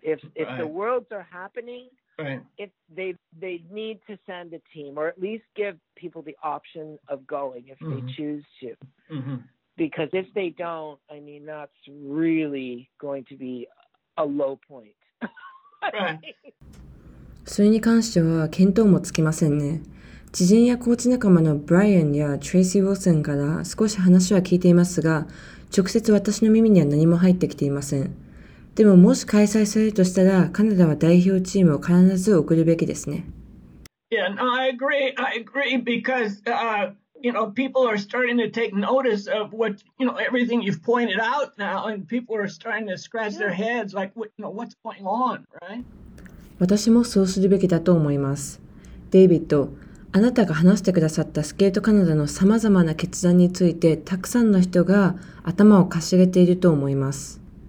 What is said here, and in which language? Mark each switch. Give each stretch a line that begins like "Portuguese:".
English: If the worlds are happening, right. if they need to send a team, or at least give people the option of going if mm-hmm. they choose to. Mm-hmm. Because if they don't, I mean, that's really going to be a low point.
Japanese: それに関しては見当もつきませんね。知人やコーチ仲間のブライアンやトレイシー・ウィルソンから少し話は聞いていますが、直接私の耳には何も入ってきていません。でももし開催されるとしたら、カナダは代表チームを必ず送るべきですね。
English: Yeah, no, I agree because, you know, people are starting to take notice of what, you know, everything you've pointed out now, and people are starting to scratch their heads like, what, you know, what's going on, right?
Japanese: 私もそうするべきだと思います。デイビッド、あなたが話してくださったスケートカナダのさまざまな決断についてたくさんの人が頭をかしげていると思います。